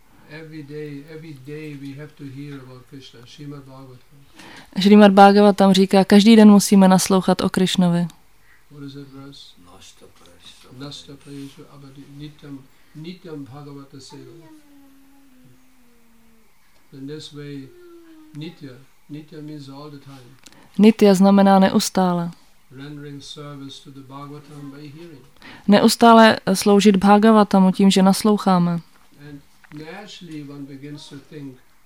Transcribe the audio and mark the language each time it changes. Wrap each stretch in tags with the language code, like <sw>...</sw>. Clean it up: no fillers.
<en>Every day we have to hear about Krishna. Srimad Bhagavatam.</en> <cs>Srimad Bhagavatam říká, každý den musíme naslouchat o Krishnovi.</cs> <en>What is that verse?</en> <sa>Nashta prayasu. Nashta prayasu abadi nityam bhagavata seva.</sa> <en>In this way, nitya means all the time.</en> <cs>Nitya znamená neustále.</cs> <en>Rendering service to the Bhagavatam by hearing.</en> <cs>Neustále sloužit Bhagavatamu tím, že nasloucháme.</cs> <en>And naturally one begins to think</en>